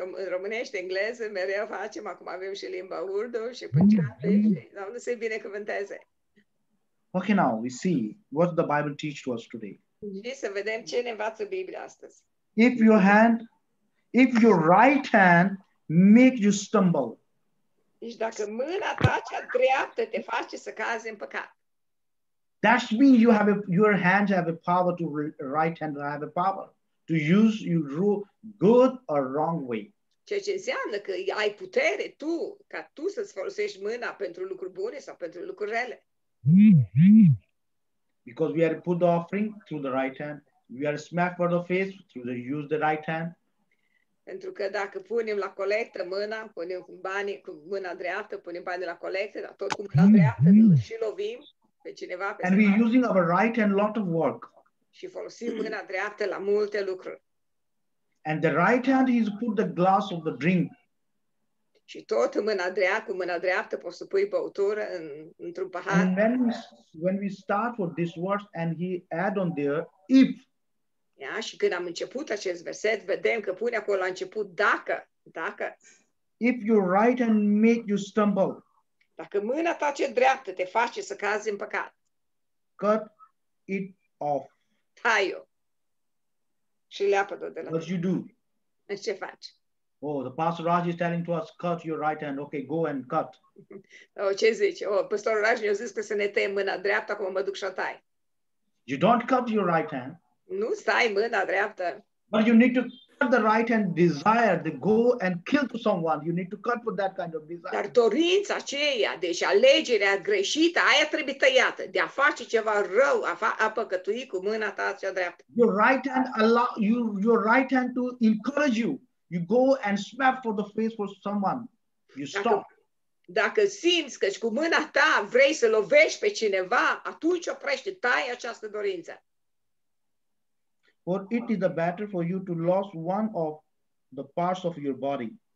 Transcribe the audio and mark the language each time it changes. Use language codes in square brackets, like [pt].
[ro] Românești, engleză, mereu facem. Acum avem și limba urdu și punjabi. Doamne să-i binecuvânteze. [en] Okay, now we see what the Bible teaches to us today. [ro] Și să vedem ce ne învață Biblia astăzi. [en] If your right hand make you stumble. [ro] Deci dacă mâna ta cea dreaptă te face să cazi în păcat. [en] That means you have your hands have a power to right hand have a power to use your good or wrong way. [ro] Ceea ce înseamnă că ai putere tu ca tu să -ți folosești mâna pentru lucruri bune sau pentru lucruri rele. [en] Because we are put the offering through the right hand, we are smacked for the face through the use the right hand. [ro] Pentru că dacă punem la colectă mâna, punem banii cu mâna dreaptă, punem banii la colectă, dar tot cu mâna dreaptă și lovim pe cineva. Pe [en] and we're using our right hand a lot of work. [ro] Și folosim mâna dreaptă la multe lucruri. [en] And the right hand is put the glass of the drink. [ro] Și tot cu mâna dreaptă poți să pui băutură într-un pahar. [en] And when we start with this verse and he add on there, if. [ro] Ia, și când am început acest verset, vedem că pune acolo la început, dacă. [en] If you right and make you stumble. [ro] Dacă mâna ta ce dreaptă te face să cazi în păcat. [en] Cut it off. [ro] Tai-o. Și leapă-o de la [en] what you do? [ro] Ce faci? [en] Oh, the pastor Raj is telling to us, cut your right hand. Okay, go and cut. [ro] Oh, ce zici? Oh, pastorul Raj mi-a zis că să ne tăiem mâna dreaptă, acum mă duc și o tai. [en] You don't cut your right hand. [ro] Nu stai mâna dreaptă. [en] But you need to cut the right hand desire, the go and kill to someone. You need to cut for that kind of desire. [ro] Dar dorința aceea, deci alegerea greșită, aia trebuie tăiată, de a face ceva rău, a păcătui cu mâna ta cea dreaptă. [en] Your right hand allow you, your right hand to encourage you. You go and smack for the face for someone. You stop. [ro] Dacă simți că cu mâna ta vrei să lovești pe cineva, atunci oprește, tai această dorință. [en] For it is a battle for you to lose one of the parts of your body.